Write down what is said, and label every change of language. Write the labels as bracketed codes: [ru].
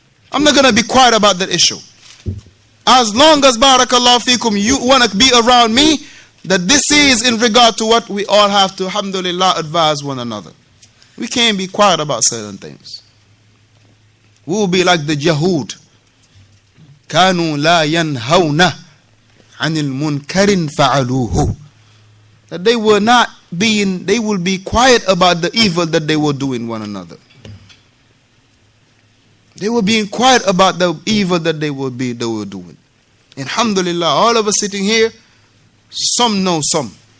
[en] I'm not going to be quiet about that issue. As long as, barakallahu feekum, you want to be around me, that this is in regard to what we all have to, alhamdulillah, advise one another. We can't be quiet about certain things. We will be like the Yahud. [ar] كانوا لا ينهون عن المنكر فعلوه. [en] That they were not being, they will be quiet about the evil that they were doing one another. They were being quiet about the evil that they were doing. And alhamdulillah, all of us sitting here, some know some.